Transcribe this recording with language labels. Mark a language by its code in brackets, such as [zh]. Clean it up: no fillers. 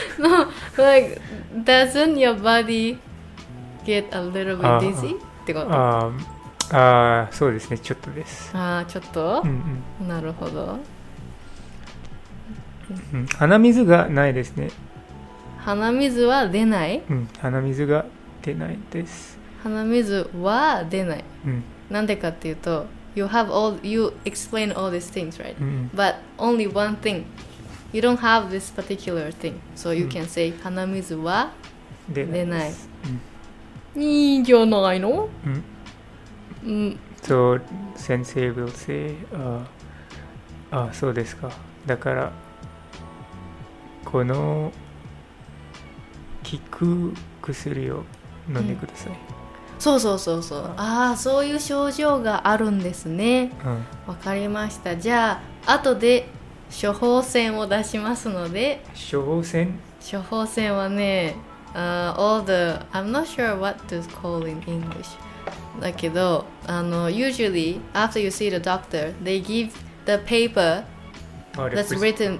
[en] No, like, doesn't your body get a little bit dizzy? [ja] ってこと。あ、そうですね、ちょっとです。あ、ちょっと、うんうん、なるほど、うん、鼻水がないですね。鼻水は出ない、うん、鼻水が出ないです。鼻水は出ない、うん、なんでかっていうと [en] you have all, you explain all these things, right?、 [ja] うん、 [en] but only one thing you don't have this particular thing so you、うん、can say [ja] 鼻水は出ない、出ない、うん、いいんじゃないの、うんうん、 so 先生 [en] will say [ja] あ、そうですか、だからこの効く薬を飲んでください、うん、そうそうそうそう、ああそういう症状があるんですね、うん、分かりました。じゃあ後で処方箋を出しますので。処方箋、 [en] 処方箋はね、all the I'm not sure what to call in English だけど、あの usually after you see the doctor they give the paper that's written